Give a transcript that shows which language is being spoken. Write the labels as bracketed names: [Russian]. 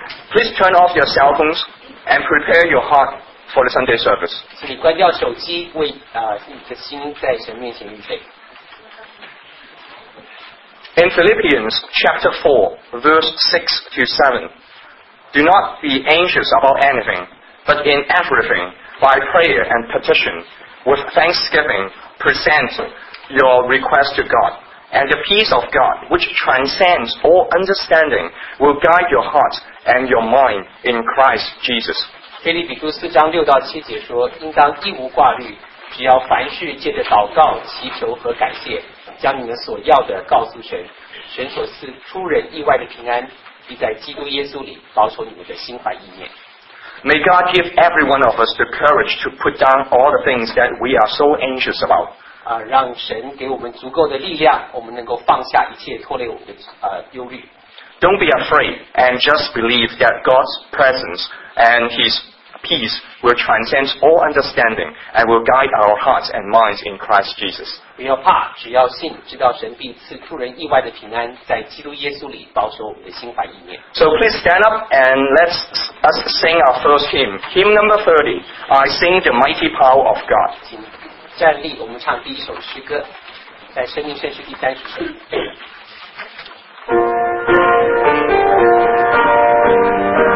[English] Please turn off your cell phones and prepare your heart for the Sunday service. [Chinese] 请你关掉手机，为你的心在神面前预备。 [English] In Philippians chapter 4, verse 6 to 7, do not be anxious about anything, but in everything, by prayer and petition, with thanksgiving, present your request to God. And the peace of God, which transcends all understanding, will guide your heart and your mind in Christ Jesus. [Chinese] 腓立比书四章六到七节说，应当一无挂虑，只要凡事借着祷告、祈求和感谢，将你们所要的告诉神，神所赐出人意外的平安，必在基督耶稣里保守你们的心怀意念。 [English] May God give every one of us the courage to put down all the things that we are so anxious about. [Chinese] 让神给我们足够的力量，我们能够放下一切拖累我们的忧虑。 [English] Don't be afraid and just believe that God's presence and His peace will transcend all understanding and will guide our hearts and minds in Christ Jesus. [Chinese] 不要怕，只要信，知道神必赐出人意外的平安，在基督耶稣里保守我们的心怀意念。 [English] So please stand up and let us sing our first hymn. Hymn number 30, I sing the mighty power of God. [Chinese] 请站立，我们唱第一首诗歌，在生命圣诗第三十首。